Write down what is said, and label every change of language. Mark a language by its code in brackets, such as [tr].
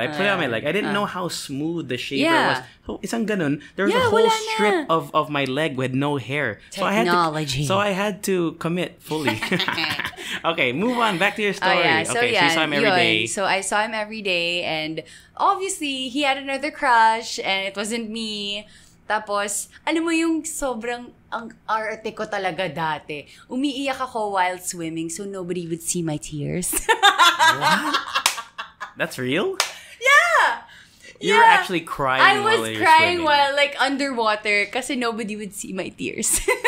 [en] I put it on my leg. I didn't know how smooth the shaver was. So [tl] isang ganun, [en] there was a whole strip of my leg with no hair. Technology. So I had to commit fully. Okay, move on. Back to your story. Yeah. So, okay, yeah, so you saw him every day. So I saw him every day and obviously he had another crush and it wasn't me. [tl] Tapos, alam mo yung sobrang ang arte ko talaga dati. Umiiyak ako [en] while swimming so nobody would see my tears. What? That's real? You're actually crying while you're swimming. I was crying while like underwater kasi nobody would see my tears.